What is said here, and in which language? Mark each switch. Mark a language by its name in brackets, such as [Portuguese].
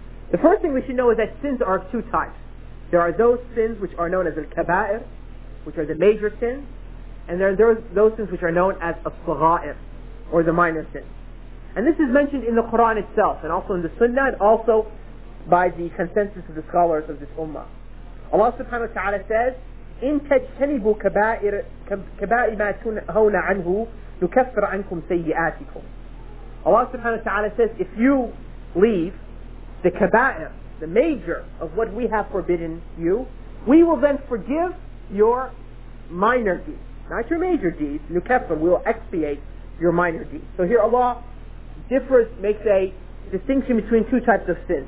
[English] The first thing we should know is that sins are of two types. There are those sins which are known as al-kaba'ir, which are the major sins, and there are those sins which are known as al-sagha'ir, or the minor sins. And this is mentioned in the Quran itself, and also in the Sunnah, and also by the consensus of the scholars of this ummah. Allah subhanahu wa ta'ala says, [Arabic] إِن تَجْتَنِبُوا كَبَائِرَ مَا تُنْهَوْنَ عَنْهُ نُكَفِّرْ عَنْكُمْ سَيِّئَاتِكُمْ. [English] Allah subhanahu wa ta'ala says, if you leave the kaba'ir, the major of what we have forbidden you, we will then forgive your minor deeds. Not your major deeds, nukafir, we will expiate your minor deeds. So here Allah differs, makes a distinction between two types of sins.